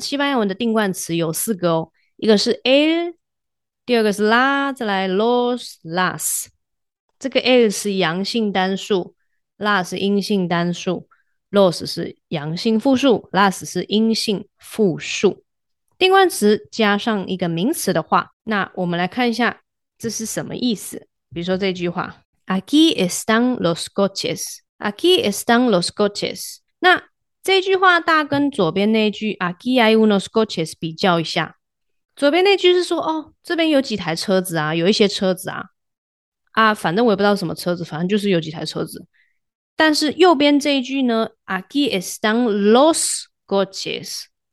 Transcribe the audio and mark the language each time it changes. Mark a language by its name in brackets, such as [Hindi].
[Chinese] 西班牙文的定冠词有四个哦，一个是 el，第二个是 la，再来 los las。这个 el 是阳性单数，la 是阴性单数，los 是阳性复数，las 是阴性复数。定冠词加上一个名词的话，那我们来看一下这是什么意思。 [Spanish] 比如说这句话：Aquí están los coches. Aquí están los coches. [Chinese] 那这句话大家跟左边那句 [Spanish] "Aquí hay unos coches" [Chinese] 比较一下。左边那句是说：哦，这边有几台车子啊，有一些车子啊，啊，反正我也不知道什么车子，反正就是有几台车子。但是右边这一句呢： [Spanish] Aquí están los coches。